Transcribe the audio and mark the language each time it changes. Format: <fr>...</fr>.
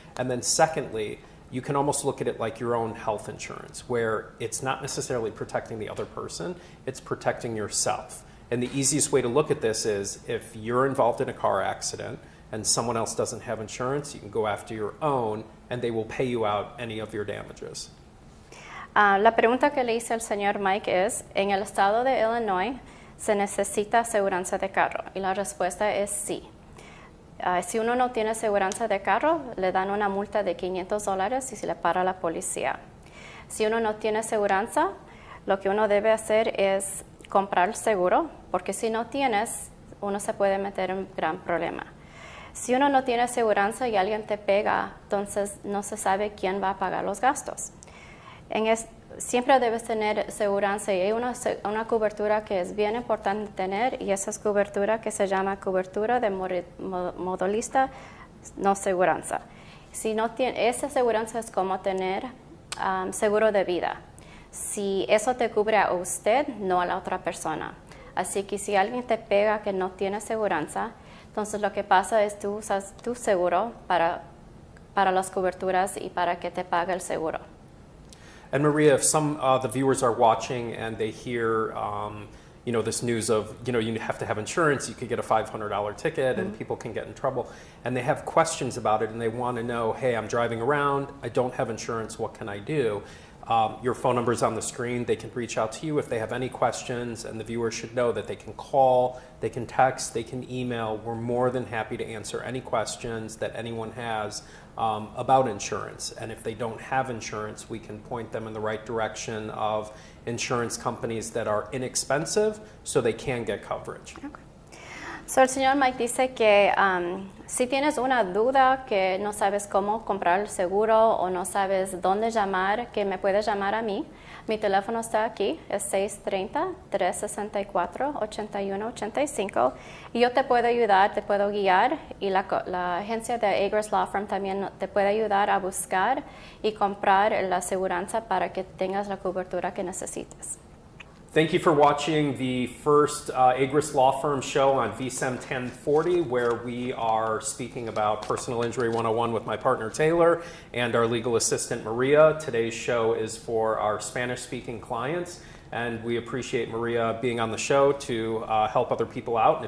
<en>And then secondly, you can almost look at it like your own health insurance, where it's not necessarily protecting the other person, it's protecting yourself. And the easiest way to look at this is if you're involved in a car accident and someone else doesn't have insurance, you can go after your own and they will pay you out any of your damages.</en> <es>La pregunta que le hice al señor Mike es, ¿en el estado de Illinois se necesita aseguranza de carro? Y la respuesta es sí. Si uno no tiene aseguranza de carro, le dan una multa de $500 y se le para la policía. Si uno no tiene aseguranza, lo que uno debe hacer es comprar seguro, porque si no tienes, uno se puede meter en gran problema. Si uno no tiene aseguranza y alguien te pega, entonces no se sabe quién va a pagar los gastos. Siempre debes tener aseguranza y hay una cobertura que es bien importante tener, y esa es cobertura que se llama cobertura de modalista no aseguranza. Si no tiene, esa aseguranza es como tener seguro de vida. Si eso te cubre a usted, no a la otra persona. Así que si alguien te pega que no tiene aseguranza, entonces lo que pasa es tú usas tu seguro para las coberturas y para que te pague el seguro.</es> <en>And Maria, if some the viewers are watching and they hear, you know, this news of, you know, you have to have insurance, you could get a $500 ticket, mm-hmm. and people can get in trouble, and they have questions about it and they want to know, hey, I'm driving around, I don't have insurance, what can I do? Your phone number is on the screen. They can reach out to you if they have any questions, and the viewers should know that they can call, they can text, they can email. We're more than happy to answer any questions that anyone has about insurance. And if they don't have insurance, we can point them in the right direction of insurance companies that are inexpensive so they can get coverage. Okay.</en> <es>So el señor Mike dice que si tienes una duda que no sabes cómo comprar el seguro o no sabes dónde llamar, que me puedes llamar a mí. Mi teléfono está aquí, es 630-364-8185, y yo te puedo ayudar, te puedo guiar, y la agencia de Agruss Law Firm también te puede ayudar a buscar y comprar la aseguranza para que tengas la cobertura que necesites.</es> <en>Thank you for watching the first Agruss Law Firm show on VSEM 1040, where we are speaking about Personal Injury 101 with my partner Taylor and our legal assistant Maria. Today's show is for our Spanish-speaking clients, and we appreciate Maria being on the show to help other people out.</en>